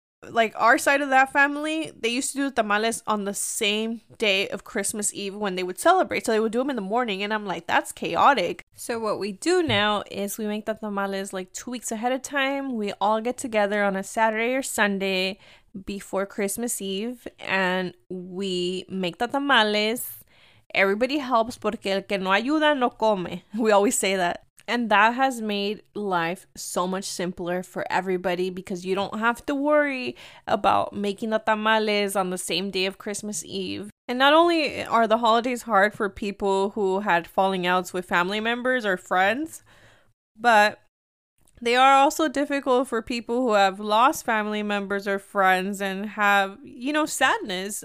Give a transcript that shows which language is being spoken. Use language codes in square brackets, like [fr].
[en] like our side of that family, they used to do the tamales on the same day of Christmas Eve when they would celebrate. So they would do them in the morning, and I'm like, that's chaotic. So what we do now is we make the tamales like 2 weeks ahead of time. We all get together on a Saturday or Sunday before Christmas Eve, and we make the tamales. Everybody helps, [es] porque el que no ayuda no come. [en] We always say that. And that has made life so much simpler for everybody, because you don't have to worry about making the tamales on the same day of Christmas Eve. And not only are the holidays hard for people who had falling outs with family members or friends, but they are also difficult for people who have lost family members or friends and have, you know, sadness.